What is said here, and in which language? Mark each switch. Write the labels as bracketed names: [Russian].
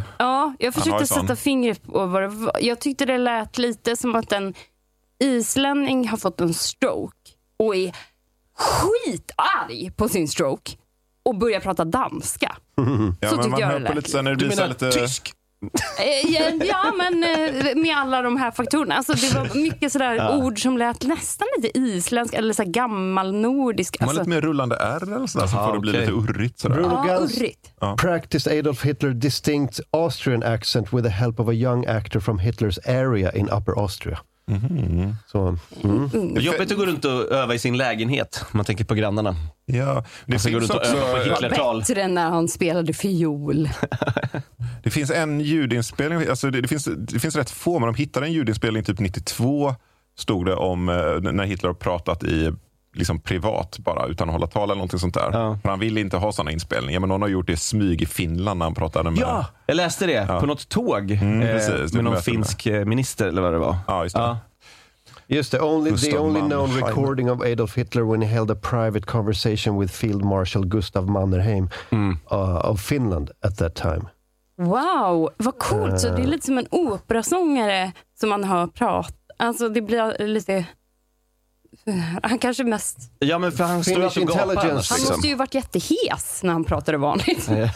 [Swedish] Ja, jag försökte sätta fingret på vad det var. Jag tyckte det lät lite som att en islänning har fått en stroke och är skitarg på sin stroke och börjar prata danska. Ja, så men man hör på lite sen när det blir lite... tysk. Ja, men med alla de här faktorerna. Alltså, det var mycket sådär ord som lät nästan lite isländsk eller så gammal nordisk. Man lite mer rullande R eller sådär, så får det bli lite urrigt. [English] Practiced Adolf Hitler distinct Austrian accent with the help of a young actor from Hitler's area in Upper Austria. Mm-hmm. [Swedish] Så, Det är jobbigt att gå runt och öva i sin lägenhet. Man tänker på grannarna. Ja, det finns runt också och öva på Hitler-tal. Bättre än när han spelade fiol. Det finns en ljudinspelning, alltså det finns rätt få, men de hittade en ljudinspelning typ 92, stod det, om när Hitler har pratat i liksom privat bara, utan att hålla tal eller någonting sånt där. Ja. För han ville inte ha såna inspelningar, men någon har gjort det smyg i Finland när han pratade med... Ja, jag läste det på något tåg med någon finsk minister eller vad det var. Ja, just det. Just det, [English] the only known recording of Adolf Hitler when he held a private conversation with Field Marshal Gustav Mannerheim of Finland at that time. [Swedish] Wow, vad coolt. Så det är lite som en operasångare som man hör prat. Alltså det blir lite... Han kanske mest... Ja, men för han [English] Finnish intelligence. [Swedish] Annars, liksom. Han måste ju varit jättehes när han pratade vanligt.